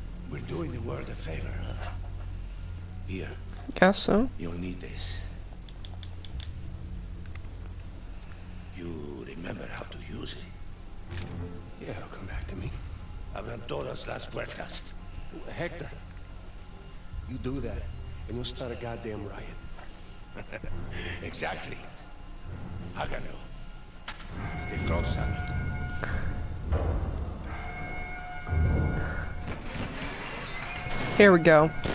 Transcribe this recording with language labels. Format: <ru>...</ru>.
<en>We're doing the world a favor. Here. Guess so. You'll need this. You remember how to use it? Yeah, it'll come back to me.</en> <es>Abran todas las puertas.</es> <en>Hector. You do that, and you'll start a goddamn riot. Exactly.</en> <es>Háganlo.</es> <en>Stay close, Sammy. Here we go.</en>